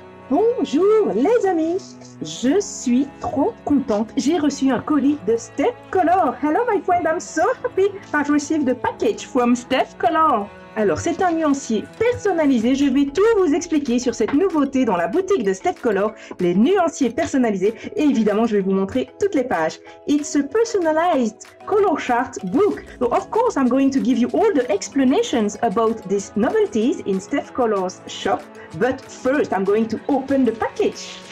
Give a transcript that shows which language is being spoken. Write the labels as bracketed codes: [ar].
[fr] Bonjour les amis, je suis trop contente, j'ai reçu un colis de Steph Color. [en] Hello my friend, I'm so happy, I received the package from Steph Color. [fr] Alors c'est un nuancier personnalisé, je vais tout vous expliquer sur cette nouveauté dans la boutique de Steph Color, les nuanciers personnalisés, et évidemment je vais vous montrer toutes les pages. [en] It's a personalized color chart book, so of course I'm going to give you all the explanations about these novelties in Steph Color's shop, but first I'm going to open the package.